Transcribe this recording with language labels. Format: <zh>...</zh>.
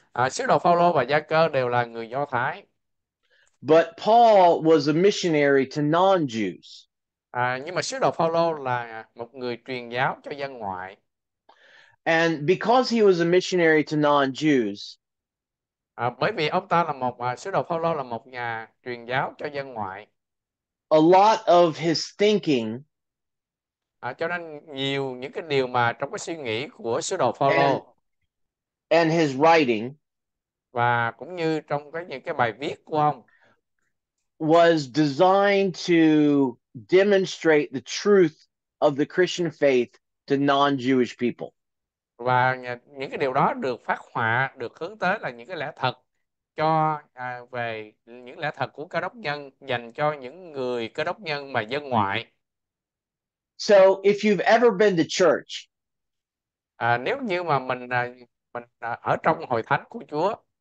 <vi>Sứ đồ Phaolô và Gia Cơ đều là người Do Thái.</vi> <en>But Paul was a missionary to non-Jews.</en> <vi>Nhưng mà sứ đồ Phaolô là một người truyền giáo cho dân ngoại.</vi> <en>And because he was a missionary to non-Jews,</en> <vi>Bởi vì ông ta là một sứ đồ Phaolô là một nhà truyền giáo cho dân ngoại.</vi> <en>a lot of his thinking</en> <vi>Cho nên nhiều những cái điều mà trong cái suy nghĩ của sứ đồ</vi> <en>and</en> <vi>Phaolô</vi> <en>his writing</en> <vi>và cũng như trong cái những cái bài viết của ông</vi> <en>was designed to demonstrate the truth of the Christian faith to non-Jewish people.</en> <vi>và những cái điều đó được phác họa, được hướng tới là những cái lẽ thật cho về những lẽ thật của Cơ đốc nhân dành cho những người Cơ đốc nhân mà dân ngoại.</vi> <en>So if you've ever been to church,</en> <vi>Nếu như mà mình ở trong hội thánh của Chúa,</vi>